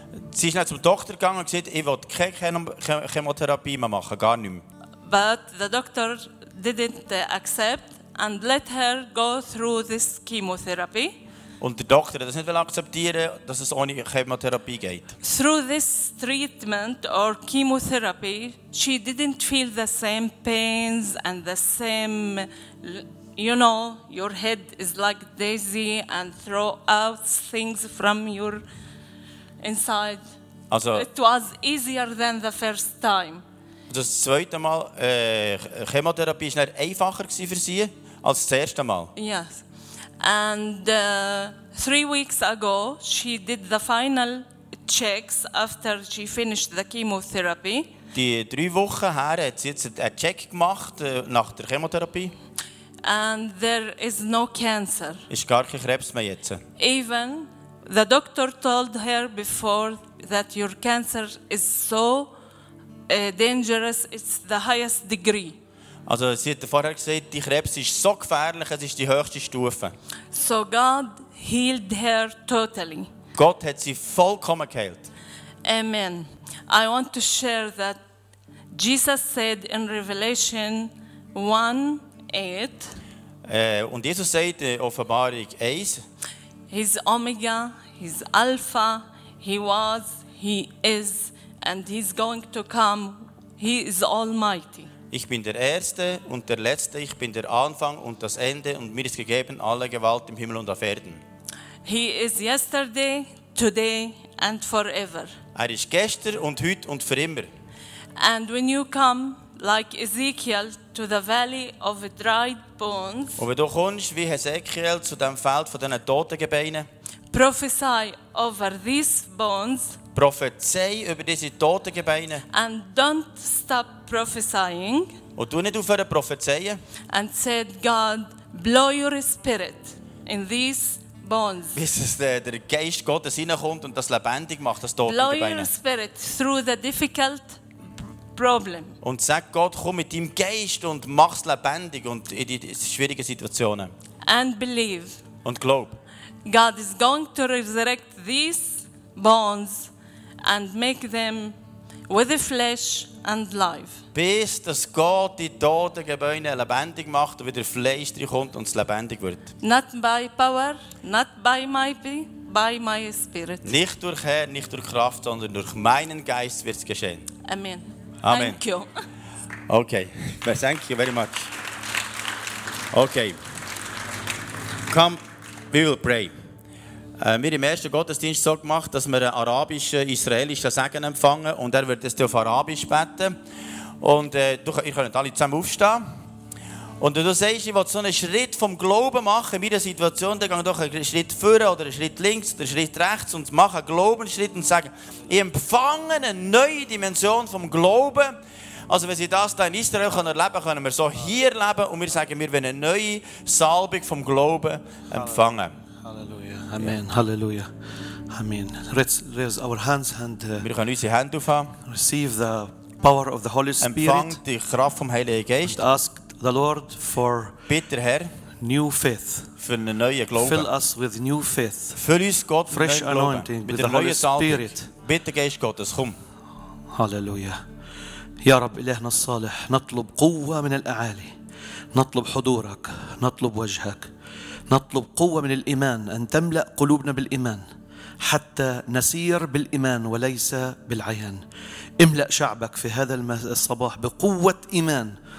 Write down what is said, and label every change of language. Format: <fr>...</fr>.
<de>Sie ist dann zum Doktor gegangen und gesagt, ich will keine Chemotherapie mehr machen, gar nicht mehr.</de> <en>But the doctor didn't accept and let her go through this chemotherapy.</en> <de>Und der Doktor hat das nicht akzeptieren, dass es ohne Chemotherapie geht.</de> <en>Through this treatment or chemotherapy, she didn't feel the same pains and the same, you know, your head is like dizzy and throw out things from your inside.</en> <de>Also,</de> <en>it was easier than the first time.</en> <de>Das zweite Mal Chemotherapie war einfacher für sie als das erste Mal.</de> <en>Yes. And 3 weeks ago she did the final checks after she finished the chemotherapy.</en> <de>Die 3 Wochen her hat sie jetzt einen Check gemacht nach der Chemotherapie.</de> <en>And there is no cancer.</en> <de>Ist gar kein Krebs mehr jetzt.</de> <en>Even the doctor told her before that your cancer is so dangerous, it's the highest degree.</en> <de>Also sie hat vorher gesagt, die Krebs ist so gefährlich, es ist die höchste Stufe.</de> <en>So God healed her totally.</en> <de>Gott hat sie vollkommen geheilt.</de> <en>Amen. I want to share that Jesus said in Revelation 1:8.</en> <de>Und Jesus sagt in Offenbarung 1.</de> <en>He's Omega, he's Alpha, he was, he is, and he's going to come. He is Almighty.</en> <de>Ich bin der Erste und der Letzte, ich bin der Anfang und das Ende und mir ist gegeben alle Gewalt im Himmel und auf Erden.</de> <en>He is yesterday, today and forever.</en> <de>Er ist gestern und heute und für immer.</de> <en>And when you come like Ezekiel to the valley of dried bones.</en> <de>Und wenn du kommst wie Ezekiel zu dem Feld von den toten Gebeinen.</de> <en>Prophesy over these bones.</en> <de>Prophezei über diese toten Gebeine.</de> <en>And don't stop prophesying.</en> <de>Und tu nicht aufhören prophezeien.</de> <en>And said God, blow your spirit in these bones.</en> <de>Bis es der Geist Gottes hineinkommt und das lebendig macht, das tote</de> <en>blow</en> <de>Gebeine.</de> <en>Blow your spirit through the difficult problem.</en> <de>Und sag Gott, komm mit deinem Geist und mach es lebendig und in die schwierigen Situationen.</de> <en>And believe.</en> <de>Und glaub.</de> <en>God is going to resurrect these bones and make them with the flesh and life.</en> <de>Bis dass Gott die toten Gebäude lebendig macht und wieder Fleisch reinkommt und es lebendig wird.</de> <en>Not by power, not by might, by my spirit.</en> <de>Nicht durch Herr, nicht durch Kraft, sondern durch meinen Geist wird es geschehen.</de> <en>Amen. Amen. Thank you. Okay. Well, thank you very much. Okay. Come. We will pray.</en> <de>Wir im ersten Gottesdienst so gemacht, dass wir einen arabischen, israelischen Segen empfangen und er wird es auf Arabisch beten. Und ihr könnt alle zusammen aufstehen. Und wenn du sagst, ich will so einen Schritt vom Glauben machen in meiner Situation, dann geh doch einen Schritt vorne oder einen Schritt links oder einen Schritt rechts und mach einen Glaubensschritt und sag, ich empfange eine neue Dimension vom Glauben. Also wenn sie das hier in Israel erleben können, können wir so hier leben und wir sagen, wir wollen eine neue Salbung vom Glauben empfangen. Halleluja. Amen. Ja. Halleluja. Amen.</de> <en>Let's raise our hands and</en> <de>wir können unsere Hände aufhaben.</de> <en>Receive the power of the Holy Spirit.</en> <de>Empfang die Kraft vom Heiligen Geist.</de> <en>And ask the Lord for</en> <de>bitte, Herr,</de> <en>new faith.</en> <de>Für einen neuen Glauben.</de> <en>Fill us with new faith.</en> <de>Füll uns Gott</de> <en>fresh</en> <de>mit</de> <en>anointing</en> <de>mit</de> <en>with the Holy Spirit.</en> <de>Bitte Geist Gottes, komm. Halleluja.</de> <ar>يا رب إلهنا الصالح نطلب قوة من الأعالي نطلب حضورك نطلب وجهك نطلب قوة من الإيمان أن تملأ قلوبنا بالإيمان حتى نسير بالإيمان وليس بالعيان املأ شعبك في هذا الصباح بقوة إيمان</ar>